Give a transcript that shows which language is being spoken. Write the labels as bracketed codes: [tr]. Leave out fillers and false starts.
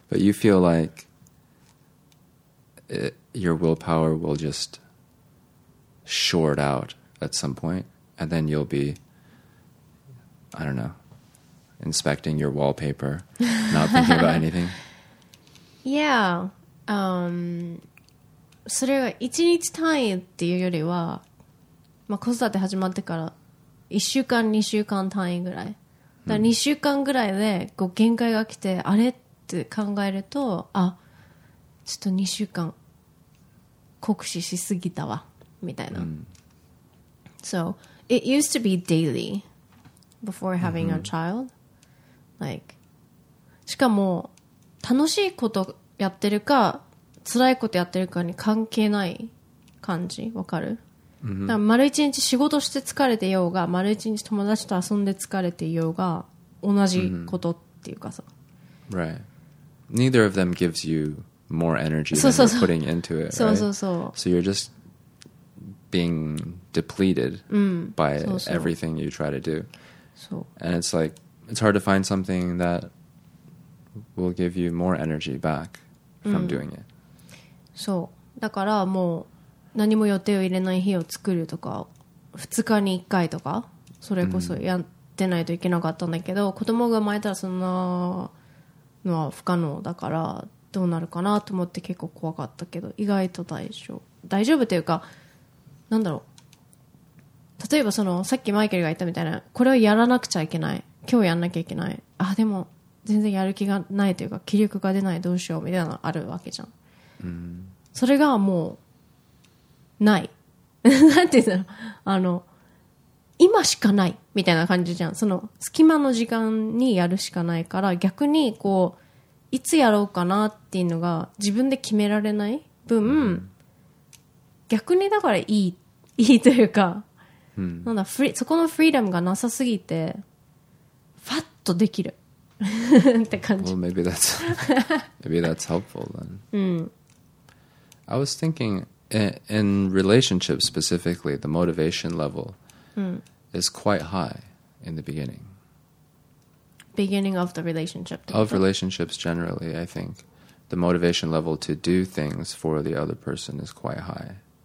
[en] But you feel like your willpower will just short out at some point, and then you'll be, I don't know, inspecting your wallpaper, not thinking about anything. Yeah. [ja] それは1日単位っていうよりは、まあ、子育て始まってから1週間2週間単位ぐらい、だから2週間ぐらいでこう限界が来て、あれって考えると、あ、ちょっと2週間酷使しすぎたわみたいな。 [en] So it used to be daily before having a child. [ja] Like, しかも楽しいことやってるか辛いことやってるかに関係ない感じ、わかる？だから丸一日仕事して疲れてようが、丸一日友達と遊んで疲れてようが、同じことっていうかさ。 [en] Right. Neither of them gives you more energy than you're putting into it. [ja] そうそうそう。 [en] So you're just being depleted by everything you try to do. [ja] そう。 [en] And it's like, it's hard to find something that will give you more energy back from doing it. [ja] そう、だからもう何も予定を入れない日を作るとか、2日に1回とかそれこそやってないといけなかったんだけど、子供が生まれたらそんなのは不可能だから、どうなるかなと思って結構怖かったけど、意外と大丈夫というか、なんだろう、例えばそのさっきマイケルが言ったみたいな、これをやらなくちゃいけない、今日やんなきゃいけない、あ、でも全然やる気がないというか気力が出ない、どうしようみたいなのあるわけじゃん。それがもうないなんていうんだろう、あの、今しかないみたいな感じじゃん。その隙間の時間にやるしかないから、逆にこういつやろうかなっていうのが自分で決められない分、逆にだからいいというか、なんだ、そこのフリーダムがなさすぎてファッとできるって感じ。 [en] Well, maybe that's helpful then. I was thinking in relationships specifically, the motivation level is quite high in the beginning. Beginning of the relationship. Of relationships generally, I think the motivation level to do things for the other person is quite high.